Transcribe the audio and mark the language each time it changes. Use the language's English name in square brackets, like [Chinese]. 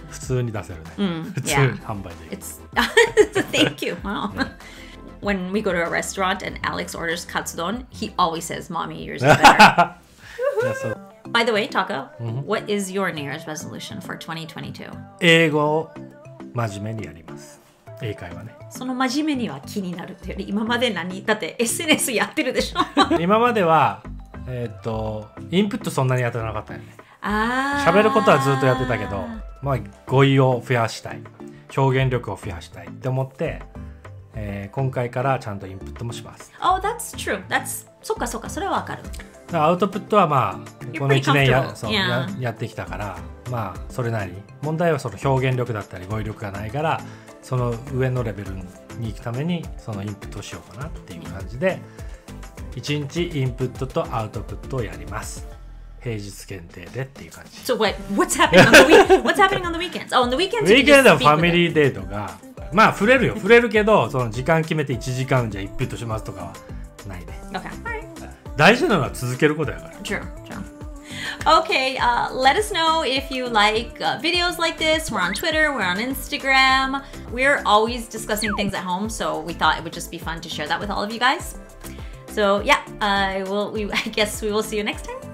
[Japanese] 普通に出せるね。普通に販売でいい。 [English] Thank you. Wow. When we go to a restaurant and Alex orders カツ丼, he always says, Mommy, yours is better. By the way, Taka, what is your New Year's resolution for 2022? [Japanese] 英語を真面目にやります。英会話ね。その真面目には気になるってより今まで何だって SNS やってるでしょ今まではインプットそんなにやってなかったよね。あ、喋ることはずっとやってたけど、まあ、語彙を増やしたい、表現力を増やしたいって思って、今回からちゃんとインプットもします。 [English] Oh, that's true. That's [Japanese] そっかそっか、それはわかる。アウトプットはまあこの1年そう、 [English] yeah. [Japanese] やってきたから、まあそれなり。問題はその表現力だったり語彙力がないから、その上のレベルに行くためにそのインプットしようかなっていう感じで、1日インプットとアウトプットをやります。平日限定でっていう感じ。 [English] So wait, what's happening on the week? What's happening on the weekends? Oh, on the weekends, [Japanese] weekend はファミリーデートが、まあ触れるよ、触れるけど、その時間決めて1時間じゃインプットしますとかはないね。 [English] Okay, alright. [Japanese] 大事なのは続けることやから。 [English] True, true. Okay, let us know if you like videos like this. We're on Twitter, we're on Instagram. We're always discussing things at home, so we thought it would just be fun to share that with all of you guys. So yeah, I guess we will see you next time.